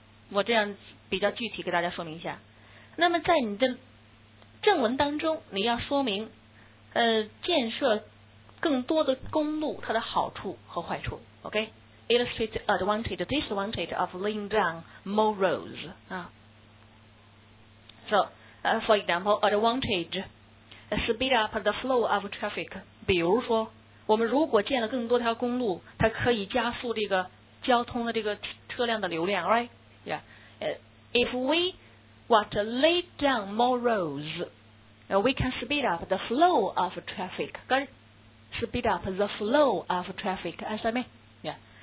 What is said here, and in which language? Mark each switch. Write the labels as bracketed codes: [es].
[zh] 我这样比较具体给大家说明一下。那么在你的正文当中，你要说明，建设更多的公路它的好处和坏处。 [en] OK, illustrate the advantage, disadvantage of laying down more roads. For example, advantage, speed up the flow of traffic. [zh] 比如说，我们如果建了更多条公路，它可以加速这个交通的这个车辆的流量 ，right? [en] Yeah. If we want to lay down more roads, we can speed up the flow of traffic. Speed up the flow of traffic. Understand me? Yeah.